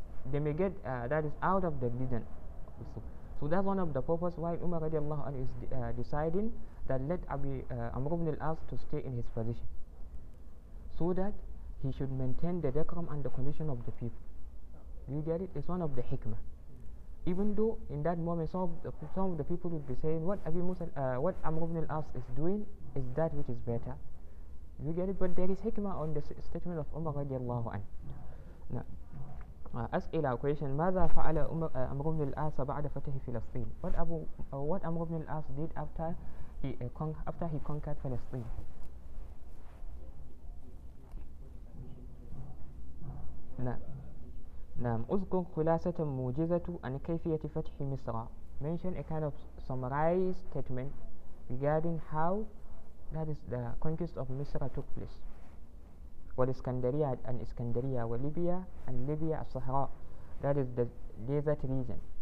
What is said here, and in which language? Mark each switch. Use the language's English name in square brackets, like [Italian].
[English] They may get out of the religion. So that's one of the purpose why Umar رضي الله عنه is deciding that led Amr ibn al-As to stay in his position, so that he should maintain the decorum and the condition of the people. You get it? It's one of the hikmah. Even though in that moment some of the people would be saying, what Amr ibn al-As is doing is that which is better. You get it? But there is hikmah on the statement of Umar radiallahu anhu. [Arabic] أسئلة question: ماذا فعل أمر بن الأس بعد فتح فلسطين؟ What أمر بن الأس did after he conquered Palestine? نعم. أذكر خلاصة موجزة عن كيفية فتح مصر. [English] Mention a kind of summarized statement regarding how that is the conquest of Misr took place. والإسكندرية and إسكندرية وليبيا and ليبيا الصحراء, that is the desert region.